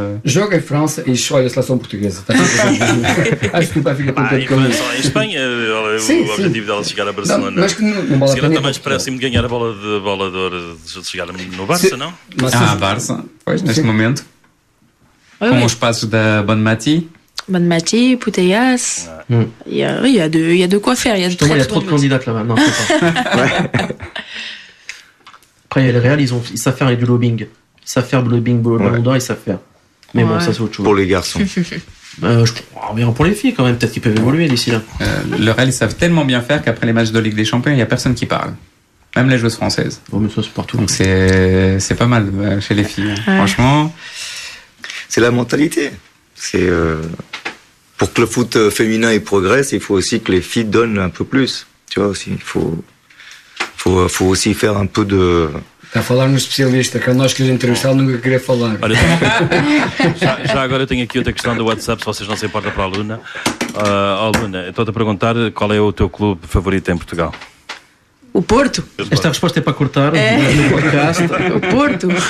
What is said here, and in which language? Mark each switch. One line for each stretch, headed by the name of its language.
Portuguese: Joga em França e escolhe a seleção portuguesa. Acho que o pai fica contente com isso. Em Espanha, o objetivo dela é chegar a Barcelona. Mas que não vale a pena. Se calhar está mais próximo de ganhar a bola de bolador de chegar no Barça, não? Ah, Barça. Pois, neste momento. Com os passos da Bonmati.
French: Bonmati, Putellas. Il y a de quoi faire. Il y a trop de candidates là-bas. Non, c'est pas. Après, il y a le Real, ils savent faire avec du lobbying. Ils savent faire du lobbying pour le Ballon d'Or, ils savent faire. Mais bon, ça, c'est autre chose. Pour les garçons. Bien pour les filles quand même, peut-être qu'ils peuvent évoluer d'ici là. Le Real, ils savent tellement bien faire qu'après les matchs de Ligue des Champions, il n'y a personne qui parle. Même les joueuses françaises. Bon, mais ça, c'est partout. Donc, c'est pas mal chez les filles. Ouais. Franchement, c'est la mentalité. C'est. Pour que le foot féminin il progresse, il faut aussi que les filles donnent un peu plus. Tu vois aussi, il faut aussi faire un peu de.
Portuguese: Está a falar no especialista, que é nós que lhes entrevistámos, nunca queria falar. Olha, já agora eu tenho aqui outra questão do WhatsApp, se vocês não se importam para a Luna. Luna, estou-te a perguntar qual é o teu clube favorito em Portugal? O Porto? Esta resposta é para cortar, no podcast. O Porto?